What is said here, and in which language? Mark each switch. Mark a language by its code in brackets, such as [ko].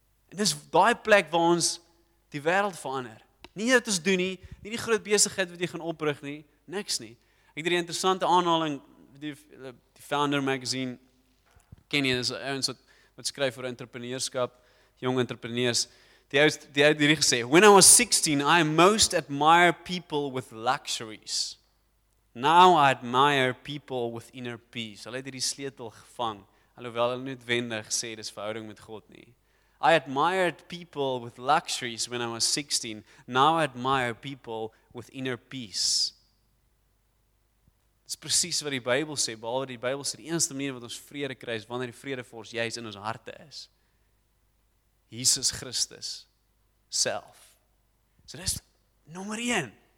[af] En dis daai plek waar ons die wêreld verander. Nie wat ons doen nie, nie die groot besigheid wat jy gaan oprig nie, niks nie. Ek het 'n interessante aanhaling, die Founder magazine, ken jy, dis ons wat skryf oor entrepreneurskap, jong entrepreneurs. Die ou het hierdie gesê, [en] "When I was 16, I most admire people with luxuries. Now I admire people with inner peace." [af] Hulle het hierdie sleutel gevang, alhoewel hulle nie noodwendig sê dis verhouding met God nie. [en] "I admired people with luxuries when I was 16. Now I admire people with inner peace." [af] Dis presies wat die Bybel sê, behalwe die Bybel sê die enigste manier wat ons vrede kry is wanneer die vrede vir ons juis in ons harte is. Jesus Christus self. So dis nommer 1.